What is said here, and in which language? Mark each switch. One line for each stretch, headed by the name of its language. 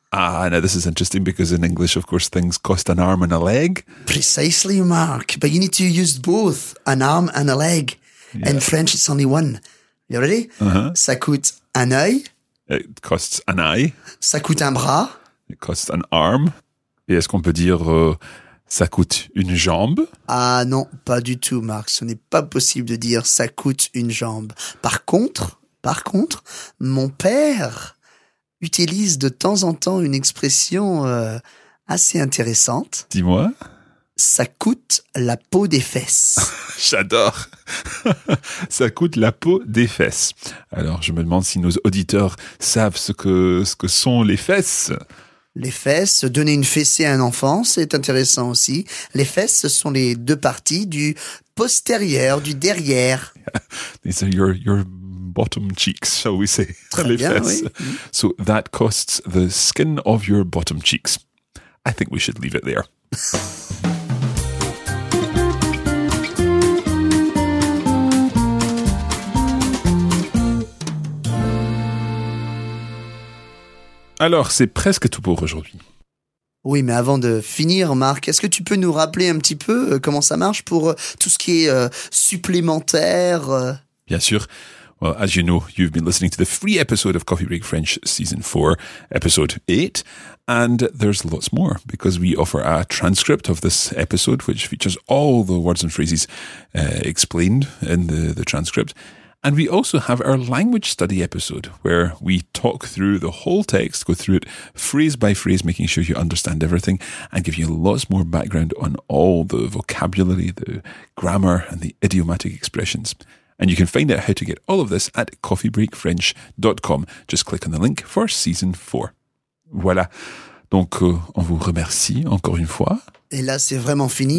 English: Ah, now this is interesting because in English, of course, things cost an arm and a leg. Precisely, Mark. But you need to use both, an arm and a leg. Yeah. In French, it's only one. You ready? Uh-huh.
French: Ça coûte un œil.
English: It costs an eye.
French: Ça coûte un bras.
English: It costs an arm.
French: Et est-ce qu'on peut dire ça coûte une jambe? Ah non, pas du tout, Marc. Ce n'est pas possible de dire ça coûte une jambe. Par contre, mon père utilise de temps en temps une expression assez intéressante. Dis-moi. Ça coûte la peau des fesses. J'adore. Ça coûte la peau des fesses. Alors, je me demande si nos auditeurs savent ce que sont les fesses. Les fesses, donner une fessée à un enfant, c'est intéressant aussi. Les fesses, ce sont les deux parties du postérieur, du derrière.
English: Yeah. These are your bottom cheeks, shall we say.
French: Très bien, oui.
English: So that costs the skin of your bottom cheeks. I think we should leave it there.
French: Alors, c'est presque tout pour aujourd'hui. Oui, mais avant de finir, Marc, est-ce que tu peux nous rappeler un petit peu comment ça marche pour tout ce qui est supplémentaire? Bien sûr.
English: Well, as you know, you've been listening to the free episode of Coffee Break French Season 4, Episode 8, and there's lots more because we offer a transcript of this episode, which features all the words and phrases explained in the transcript. And we also have our language study episode where we talk through the whole text, go through it phrase by phrase, making sure you understand everything and give you lots more background on all the vocabulary, the grammar and the idiomatic expressions. And you can find out how to get all of this at coffeebreakfrench.com. Just click on the link for season 4.
French: Voilà. Donc, on vous remercie encore une fois. Et là, c'est vraiment fini.